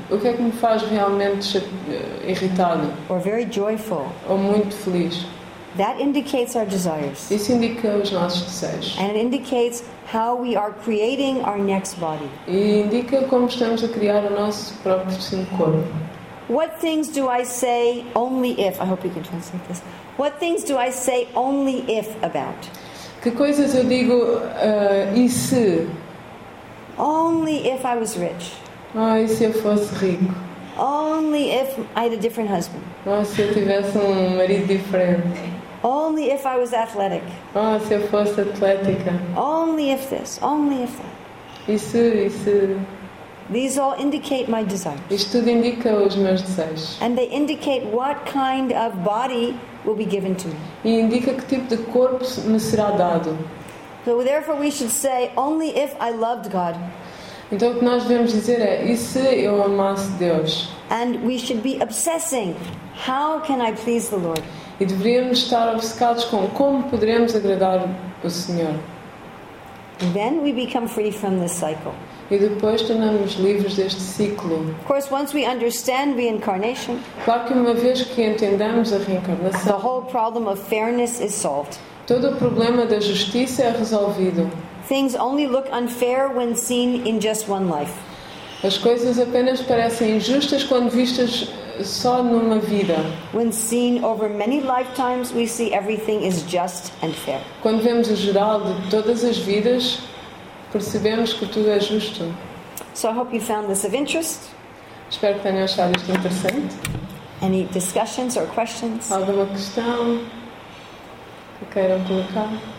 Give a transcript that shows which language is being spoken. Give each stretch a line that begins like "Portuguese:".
Portuguese: O que é que me faz realmente irritado?
English: Or very joyful?
Portuguese: Ou muito feliz?
English: That indicates our desires.
Portuguese: Isso indica os nossos desejos.
English: And it indicates how we are creating our next body.
Portuguese: E indica como estamos a criar o nosso próprio corpo.
English: What things do I say only if? I hope you can translate this. What things do I say only if about?
Portuguese: Que coisas eu digo e se?
English: Only if I was rich.
Portuguese: Ah, e se eu fosse rico?
English: Only if I had a different husband.
Portuguese: Ah, se eu tivesse marido diferente.
English: Only if I was athletic.
Portuguese: Ah, se eu fosse atlética.
English: Only if this. Only if that.
Portuguese: E se?
English: These all indicate my desires.
Portuguese: Isto tudo indica os meus desejos.
English: And they indicate what kind of body will be given to me.
Portuguese: E indica que tipo de corpo me será dado.
English: So therefore we should say only if I loved God.
Portuguese: Então o que nós devemos dizer é, e se eu amasse Deus?
English: And we should be obsessing, how can I please the Lord?
Portuguese: E deveríamos estar obcecados com como poderemos agradar o Senhor.
English: Then we become free from this cycle.
Portuguese: E depois tornamos livres deste ciclo.
English: Of course, once we understand reincarnation,
Portuguese: claro que uma vez que entendamos a reencarnação,
English: the whole problem of fairness is solved.
Portuguese: Todo o problema da justiça é resolvido.
English: Things only look unfair when seen in just one life.
Portuguese: As coisas apenas parecem injustas quando vistas só numa vida.
English: When seen over many lifetimes, we see everything is just and fair.
Portuguese: Quando vemos o geral de todas as vidas, percebemos que tudo é justo.
English: So I hope you found this of interest.
Portuguese: Espero que tenham achado isto interessante.
English: Any discussions or questions?
Portuguese: Alguma questão que queiram colocar?